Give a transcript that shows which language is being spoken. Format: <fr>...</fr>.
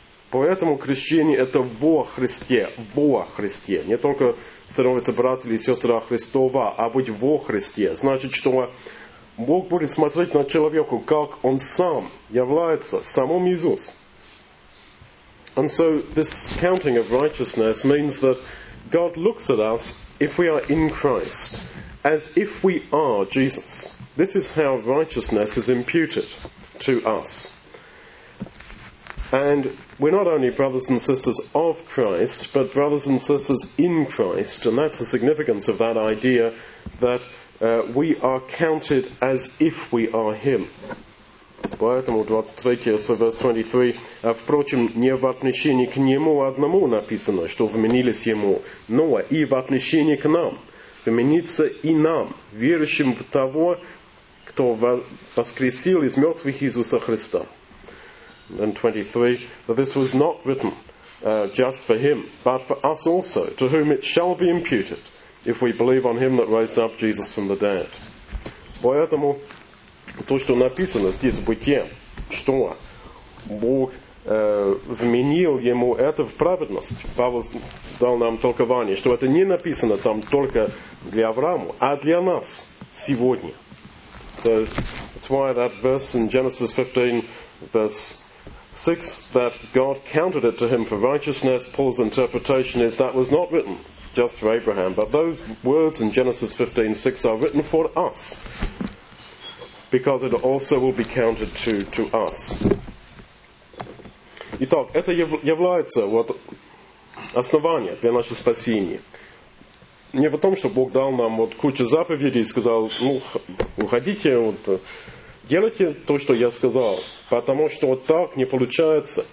<ru>Поэтому крещение это во Христе, не только становится брат или сестра Христова, а быть во Христе. Значит, что Бог будет смотреть на человека, как он сам является самым Иисус.</ru> <en>And so this counting of righteousness means that God looks at us if we are in Christ, as if we are Jesus. This is how righteousness is imputed to us. And we're not only brothers and sisters of Christ, but brothers and sisters in Christ. And that's the significance of that idea, that we are counted as if we are Him.</en> <ru>Поэтому 23,</ru> <en>so verse 23,</en> <ru>впрочем, не в отношении к Нему одному написано, что вменились Ему, но и в отношении к нам, вмениться и нам, верующим в Того, кто воскресил из мертвых Иисуса Христа.</ru> <en>And 23, that this was not written just for him, but for us also, to whom it shall be imputed, if we believe on him that raised up Jesus from the dead.</en> <ru>Поэтому то, что написано здесь в Бытие, что Бог вменил ему это в праведность, Павел дал нам толкование, что это не написано там только для Авраама, а для нас сегодня.</ru> <en>So that's why that verse in Genesis 15, verse 6, that God counted it to him for righteousness. Paul's interpretation is that was not written just for Abraham, but those words in Genesis 15:6 are written for us, because it also will be counted to us.</en> <ru>Итак, это является вот основанием для нашего спасения. Не в том, что Бог дал нам вот кучу заповедей и сказал, ну, уходите, вот, делайте то, что я сказал, потому что вот так не получается.</ru>